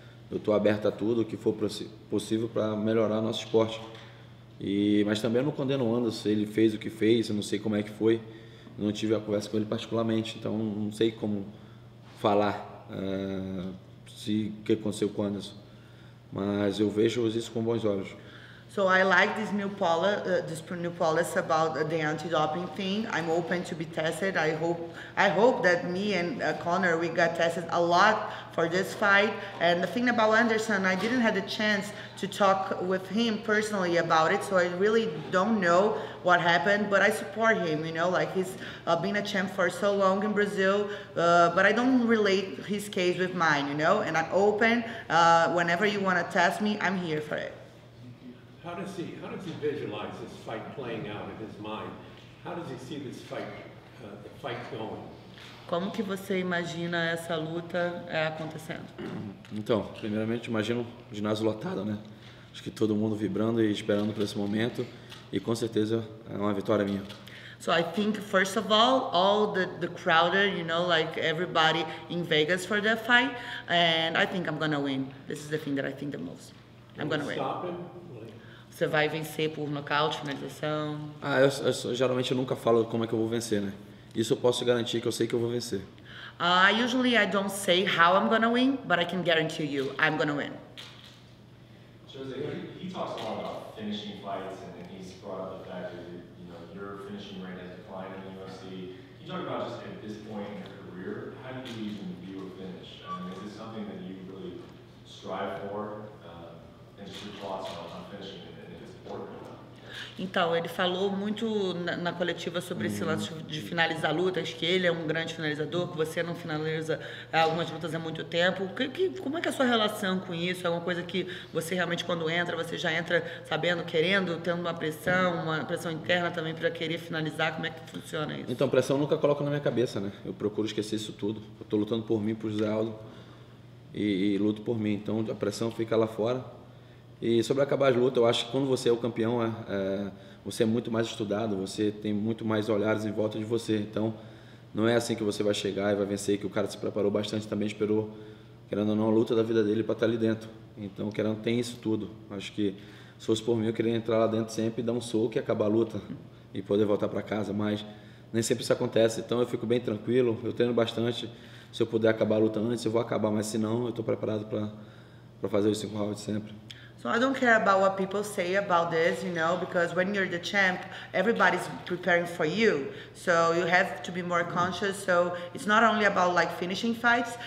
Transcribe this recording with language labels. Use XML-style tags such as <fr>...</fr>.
<pt>Eu estou aberto a tudo o que for possível para melhorar nosso esporte. Mas também eu não condeno o Anderson, ele fez o que fez, eu não sei como é que foi. Eu não tive a conversa com ele particularmente, então não sei como falar se o que aconteceu com o Anderson. Mas eu vejo isso com bons olhos.</pt> <en>So I like this new policy, about the anti-doping thing. I'm open to be tested. I hope that me and Conor, we got tested a lot for this fight. And the thing about Anderson, I didn't have the chance to talk with him personally about it, so I really don't know what happened, but I support him, you know, like he's been a champ for so long in Brazil, but I don't relate his case with mine, you know, and I'm open. Whenever you want to test me, I'm here for it. How does he visualize this fight playing out in his mind? How does he see this fight fight going?</en> <pt>Como que você imagina essa luta acontecendo? Então, primeiramente imagino o ginásio lotado, né? Acho que todo mundo vibrando e esperando por esse momento e com certeza é uma vitória minha.</pt> <en>So I think first of all the crowded, you know, like everybody in Vegas for the fight, and I think I'm gonna win. This is the thing that I think the most. I'm gonna win.</en> <pt>Você vai vencer por nocaute, finalização? Geralmente eu nunca falo como é que eu vou vencer, né? Isso eu posso garantir que eu sei que eu vou vencer.</pt> <en>Usually I don't say how I'm gonna win, but I can guarantee you I'm gonna win. Jose, he talks a lot about finishing fights, and then he's brought up the fact that, you know, your finishing rate has declined in the UFC. Can you talk about just at this point in your career, how do you even view a finish? I mean, is this something that you really strive for? And just your thoughts on finishing it, and if it's important.</en> <pt>Então, ele falou muito na coletiva sobre esse lance de finalizar lutas, que ele é um grande finalizador, que você não finaliza algumas lutas há muito tempo. Como é que é a sua relação com isso? É uma coisa que você realmente, quando entra, você já entra sabendo, querendo, tendo uma pressão interna também para querer finalizar? Como é que funciona isso? Então, pressão eu nunca coloco na minha cabeça, né? Eu procuro esquecer isso tudo. Eu estou lutando por mim, por José Aldo, e luto por mim. Então, a pressão fica lá fora. E sobre acabar as lutas, eu acho que quando você é o campeão, você é muito mais estudado, você tem muito mais olhares em volta de você. Então, não é assim que você vai chegar e vai vencer, que o cara se preparou bastante também, esperou, querendo ou não, a luta da vida dele para estar ali dentro. Então, querendo, tem isso tudo. Acho que, se fosse por mim, eu queria entrar lá dentro sempre, dar um soco e acabar a luta e poder voltar para casa, mas nem sempre isso acontece. Então, eu fico bem tranquilo, eu treino bastante. Se eu puder acabar a luta antes, eu vou acabar, mas se não, eu estou preparado para fazer os 5 rounds sempre.</pt> <en>So I don't care about what people say about this, you know, because when you're the champ, everybody's preparing for you. So you have to be more conscious. So it's not only about like finishing fights.</en>